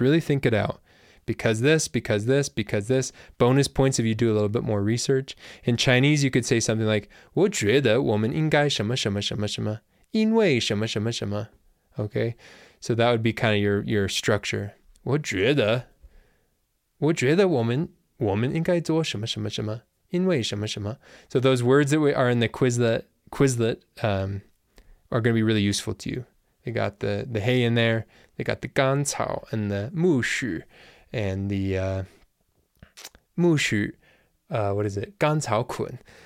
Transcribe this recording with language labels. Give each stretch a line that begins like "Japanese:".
English: Really think it out. Because this, because this, because this. Bonus points if you do a little bit more research. In Chinese, you could say something like,
Chinese: 我觉得我们应该什么什么什么什么,因为什么什么什么.
English: Okay? So that would be kind of your structure.
Chinese: 我觉得我们... 我们应该做什么什么什么,因为什么什么.
English: So those words that are in the Quizlet are going to be really useful to you. They got the hay in there. They got the gancao and the mushu and the mushu. What is it? Gancao kun.